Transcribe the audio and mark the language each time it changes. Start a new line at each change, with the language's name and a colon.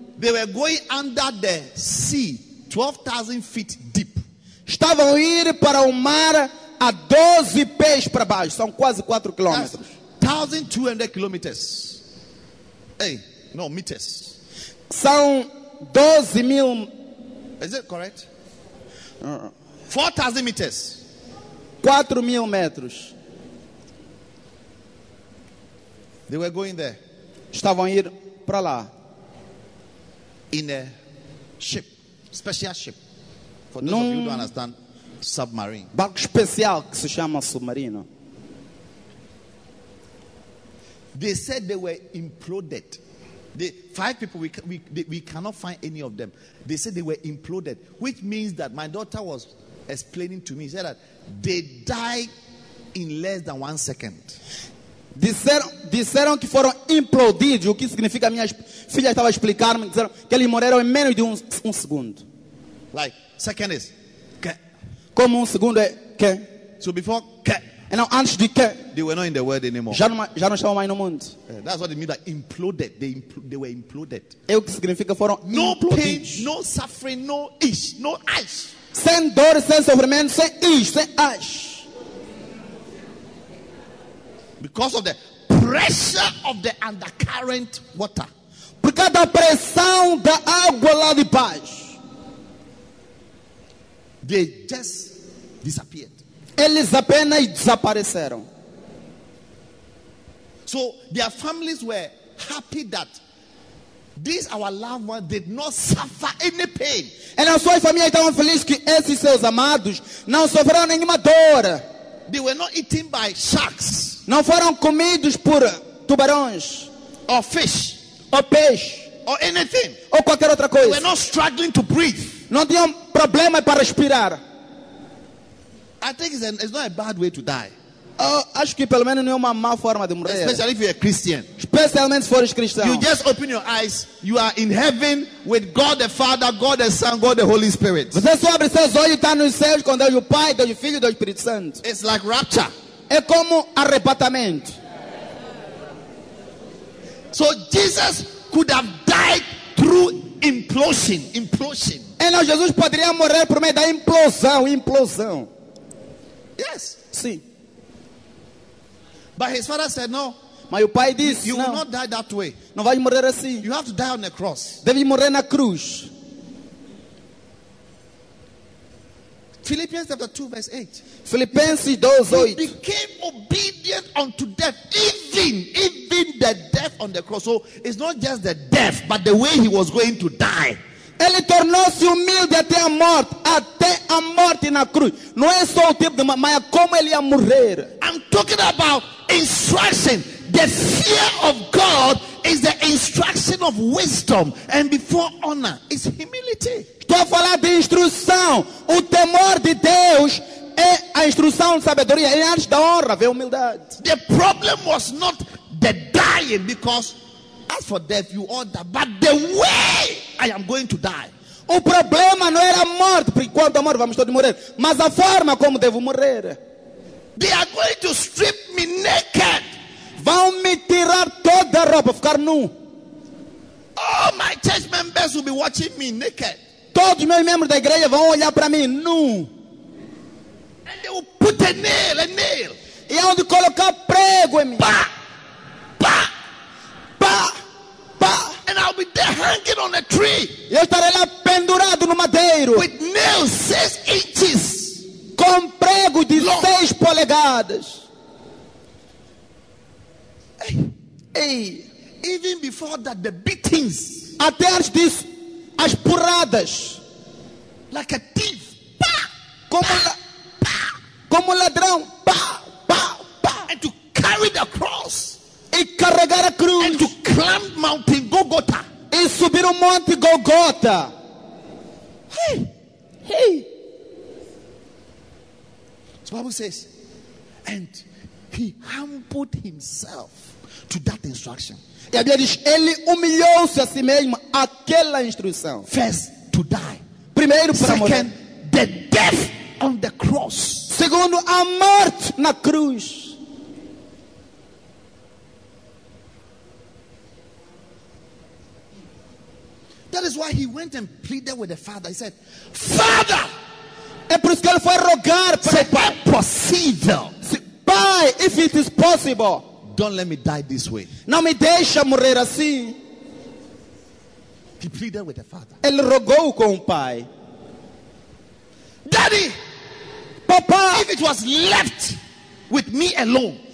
English: They were going under the sea, 12,000 feet deep.
Portuguese: Estavam indo para o mar a 12 pés para baixo. São quase 4 quilômetros.
English: 1,200 kilometers. Hey, no, meters.
Portuguese: São 12 mil.
English: Is it correct? 4,000 meters.
Portuguese: 4 mil metros.
English: They were going there.
Portuguese: Estavam ir para lá.
English: In a ship, special ship. For those of you who don't understand, submarine.
Portuguese: Barco especial que se chama submarino.
English: They said they were imploded. The 5 people we cannot find any of them. They said they were imploded, which means that my daughter was explaining to me, said that they died in less than 1 second.
Portuguese: Disseram que foram implodidos, o que significa, minha filha estava a explicar-me, disseram que eles morreram em menos de um segundo.
English: Like, second is, que.
Portuguese: Como segundo é, que.
English: So before, que. And now,
Portuguese: antes de que.
English: They were not in the world anymore.
Portuguese: Já não estavam mais no mundo.
English: Yeah, that's what it means, that imploded, they were imploded.
Portuguese: É o que significa, foram no implodidos.
English: No pain, no suffering, no ish, no ash.
Portuguese: Sem dor, sem sofrimento, sem ish, sem ash.
English: Because of the pressure of the undercurrent water.
Portuguese: Por causa da pressão da água lá de baixo.
English: They just disappeared.
Portuguese: Eles apenas desapareceram.
English: So their families were happy that this our loved one did not suffer any pain.
Portuguese: E as suas famílias estavam felizes que esses seus amados não sofreram nenhuma dor.
English: They were not eaten by sharks.
Portuguese: Não foram comidos por tubarões.
English: Or fish.
Portuguese: Ou peixe.
English: Or anything.
Portuguese: Ou qualquer outra coisa.
English: They were not struggling to breathe.
Portuguese: Não tinham problema para respirar.
English: I think it's not a bad way to die.
Portuguese: Acho que pelo menos não é uma má forma de morrer.
English: Especially if you're a Christian.
Portuguese: Especialmente se fores cristão.
English: You just open your eyes. You are in heaven with God the Father, God the Son, God the Holy Spirit.
Portuguese: Você só abre seus olhos e está nos céus com Deus o Pai, Deus o Filho e Deus o Espírito Santo.
English: It's like rapture.
Portuguese: É como arrebatamento.
English: So Jesus could have died through implosion.
Portuguese: Então Jesus poderia morrer por meio da implosão.
English: Yes.
Portuguese: Sim.
English: But his father said no.
Portuguese: Mas o pai disse
English: não. You will not die that way.
Portuguese: Não vai morrer assim.
English: You have to die on the cross.
Portuguese: Deve morrer na cruz.
English: Philippians chapter 2 verse 8. Philippians 2:8. He became obedient unto death, even the death on the cross. So it's not just the death, but the way he was going to die.
Portuguese: Ele tornou-se humilde até a morte na cruz. Não é só o tipo de morte, mas como ele ia morrer.
English: I'm talking about instruction. The fear of God is the instruction of wisdom, and before honor is humility.
Portuguese: Estou a falar de instrução. O temor de Deus é a instrução de sabedoria. E antes da honra vem a humildade.
English: The problem was not the dying, because as for death, you all die. But the way I am going to die.
Portuguese: O problema não era a morte, porque quando a morte vamos todos morrer, mas a forma como devo morrer.
English: They are going to strip me naked.
Portuguese: Vão me tirar toda a roupa, ficar nu.
English: Oh, my church. church members will be watching me naked.
Portuguese: Todos os meus membros da igreja vão olhar para mim nu.
English: And they will put a nail.
Portuguese: E onde colocar prego em mim. Pá! Pá! Pá! Pá!
English: And I'll be there hanging on a tree.
Portuguese: E eu estarei lá pendurado no madeiro.
English: With nails 6 inches.
Portuguese: Com prego de 6 polegadas. Hey.
English: Even before that, the beatings.
Portuguese: Até antes disso, as porradas.
English: Like a thief. Pá!
Portuguese: Como, pá! Pá! Como ladrão. Pá! Pá! Pá!
English: And to carry the cross.
Portuguese: E carregar a cruz.
English: And to climb mountain Golgotha.
Portuguese: E subir o monte Golgotha. Hey! Hey!
English: The Bible says, and he humbled himself to that instruction.
Portuguese: E a Bíblia diz, ele humilhou-se a si mesmo àquela instrução.
English: First, to die.
Portuguese: Primeiro, para
English: second,
Portuguese: morrer.
English: The death on the cross.
Portuguese: Segundo, a morte na cruz.
English: That is why he went and pleaded with the Father. He said, Father!
Portuguese: É por isso que ele foi rogar para o Pai. Possível.
English: Pai, if it is possible. Don't let me die this way.
Portuguese: Não me deixa morrer assim.
English: He pleaded with the Father.
Portuguese: Ele rogou com o Pai.
English: Daddy!
Portuguese: Papa!
English: If it was left with me alone.